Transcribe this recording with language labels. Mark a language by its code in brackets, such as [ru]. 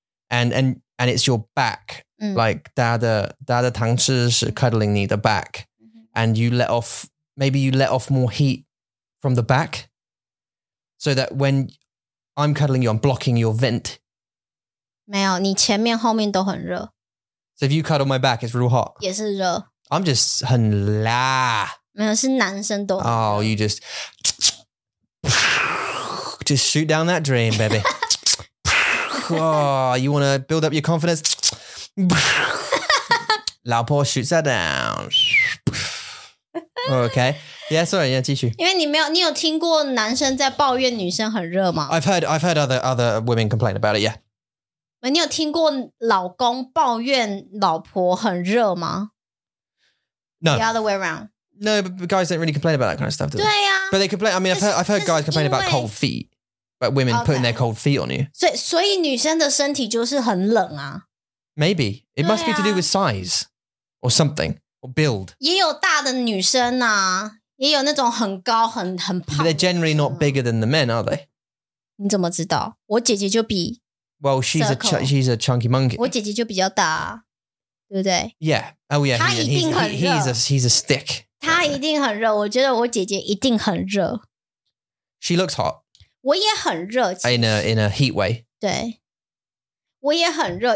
[en] And it's your back, like [zh] 大的汤匙是 [en] cuddling [zh] 你的 [en] back, and you let off more heat from the back, so that when I'm cuddling you, I'm blocking your vent. [zh] 没有，你前面后面都很热。 [en] So if you cuddle my back, it's real hot. [zh] 也是热。 [en] I'm just [zh] 很辣。没有，是男生都很热。 [en] Oh, you just shoot down that dream, baby. Oh, you wanna build up your confidence? 老婆 shoots that down. Okay. Yeah, sorry, yeah, [zh] 继续。因为你有听过男生在抱怨女生很热吗？ [en] I've heard other women complain about it, yeah. [zh] 你有听过老公抱怨老婆很热吗？ [en] No. The other way around. No, but guys don't really complain about that kind of stuff, do they? [zh] 对呀。 [en] But they complain, I mean, I've heard guys complain about cold feet, but women putting their cold feet on you. [zh] 所以女生的身体就是很冷啊。 [en] Maybe. It must be to do with size or something. Build [zh] 也有大的女生啊，也有那种很高很胖的。 [en] They're generally not bigger than the men, are they? [zh] 你怎么知道？我姐姐就比 [en] Well, she's a chunky monkey. [zh] 我姐姐就比较大，对不对 [en] ？Yeah, oh yeah. [zh] 她一定很热。 [en] He's a stick. [zh] 她一定很热。我觉得我姐姐一定很热。 [en] She looks hot. [zh] 我也很热。 [en] In a heat way. [zh] 对，我也很热。